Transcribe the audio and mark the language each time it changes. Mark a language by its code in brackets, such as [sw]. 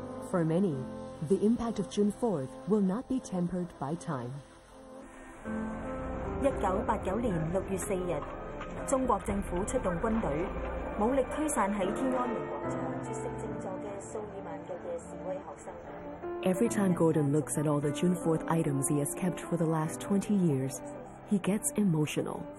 [en] For many, the impact of June 4th will not be tempered by time. [yue] 1989年6月4日，中國政府出動軍隊，武力驅散喺天安門廣場出席靜坐嘅數以萬計嘅示威學生。 [en] Every time Gordon looks at all the June 4th items he has kept for the last 20 years, he gets emotional.